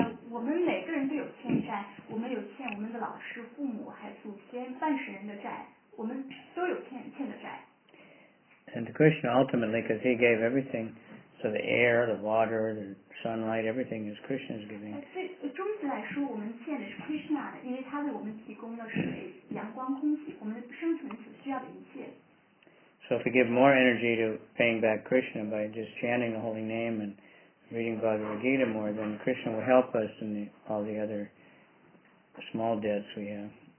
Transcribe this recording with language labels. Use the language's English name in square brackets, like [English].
[Chinese] 我们每个人都有欠债，我们有欠我们的老师、父母，还有祖先、半神人的债，我们都有欠的债。 [English] And Krishna ultimately, because he gave everything, so the air, the water, the sunlight, everything is Krishna's giving. [Chinese] 所以终极来说，我们欠的是Krishna的，因为他为我们提供了水、阳光、空气，我们生存所需要的一切。 [English] So if we give more energy to paying back Krishna by just chanting the holy name and reading Bhagavad Gita more, then Krishna will help us in the, all the other small debts we have.